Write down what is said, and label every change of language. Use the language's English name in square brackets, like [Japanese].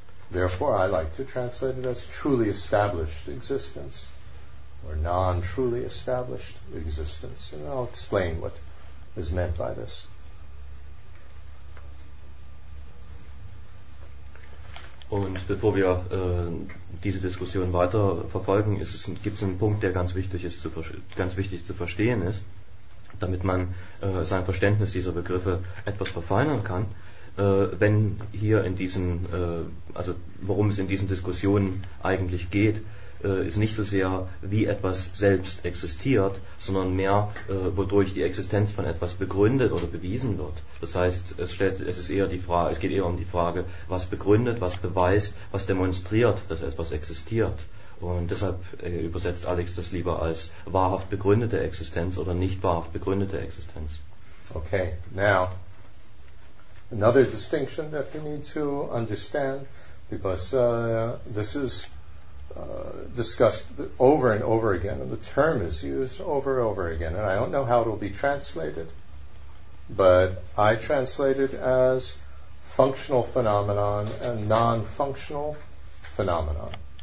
[English] Therefore, I like to translate it as truly established existence or non-truly established existence. And I'll explain what is meant by this. [German] Und bevor wir diese Diskussion weiter verfolgen, gibt es einen Punkt, der ganz wichtig zu verstehen ist, damit man sein Verständnis dieser Begriffe etwas verfeinern kann. Wenn hier in diesen, also worum es in diesen Diskussionen eigentlich geht, ist nicht so sehr, wie etwas selbst existiert, sondern mehr, wodurch die Existenz von etwas begründet oder bewiesen wird. Das heißt, es geht eher um die Frage, was begründet, was beweist, was demonstriert, dass etwas existiert. Und deshalb übersetzt Alex das lieber als wahrhaft begründete Existenz oder nicht wahrhaft begründete Existenz. [English] Okay, now, another distinction that we need to understand, because this is discussed over and over again, and the term is used over and over again, and I don't know how it will be translated, but I translate it as functional phenomenon and non-functional phenomenon.